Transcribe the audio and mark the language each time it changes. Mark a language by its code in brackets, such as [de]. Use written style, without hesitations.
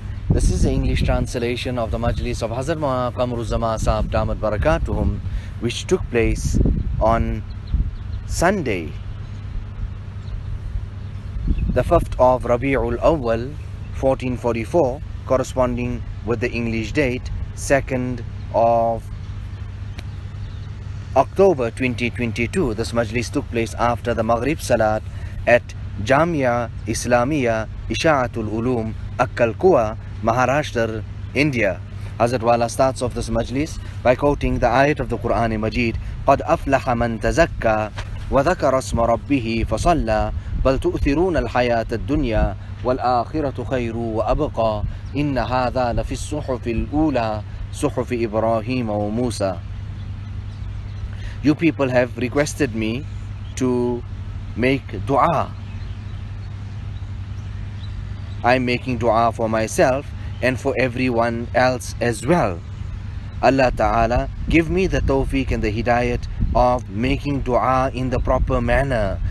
[en] This is the English translation of the Majlis of Hazrath Qamar Uzzaman Saheb Damat Barakatuhum, which took place on Sunday, the 5th of Rabi'ul Awwal, 1444, corresponding with the English date, 2nd of October 2022. This Majlis took place after the Maghrib Salat at Jamia Islamia Isha'atul Ulum Akkal Kua, Maharashtra, India. Hazrat Wala starts off this Majlis by quoting the ayat of the Quran Majid, [ar] قَدْ أَفْلَحَ مَنْ تَزَكَّى وَذَكَرَ اسْمَ رَبِّهِ فَصَلَّى بَلْ تُؤْثِرُونَ الْحَيَاةَ الدُّنْيَا وَالْآخِرَةُ خَيْرٌ وَأَبْقَى إِنَّ هَذَا لَفِي الصُّحُفِ الْأُولَى صُحُفِ إِبْرَاهِيمَ وَمُوسَى. [en] You people have requested me to make dua. I'm making dua for myself and for everyone else as well. Allah Ta'ala, give me the tawfiq and the hidayat of making dua in the proper manner.